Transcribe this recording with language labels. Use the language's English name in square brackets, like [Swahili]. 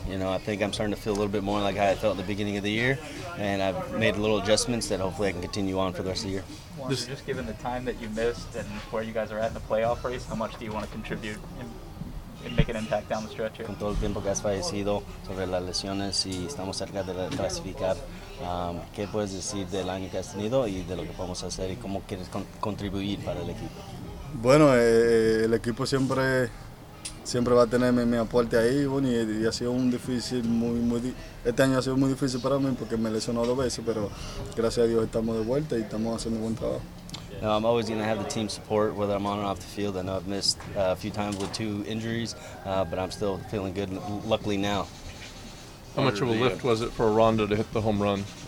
[English] You know, I think I'm starting to feel a little bit more like how I felt at the beginning of the year, and I've made little adjustments that hopefully I can continue on for the rest of the year. Just given the time that you missed and where you guys are at in the playoff race, how much do you want to contribute and make an impact down the stretch here? [Spanish] Con todo el tiempo que has fallecido sobre las lesiones y estamos cerca de clasificar, ¿qué puedes decir del año que has tenido y de lo que podemos hacer y cómo quieres contribuir para el equipo? Bueno, el equipo siempre va a tener mi aporte ahí, bueno, y ha sido un difícil, este año ha sido muy difícil para mí porque me lesionó dos veces, pero gracias a Dios estamos de vuelta y estamos haciendo un buen trabajo. [English] Now, I'm always going to have the team support, whether I'm on or off the field. I know I've missed a few times with two injuries, but I'm still feeling good, luckily now. How much of a lift was it for Aranda to hit the home run?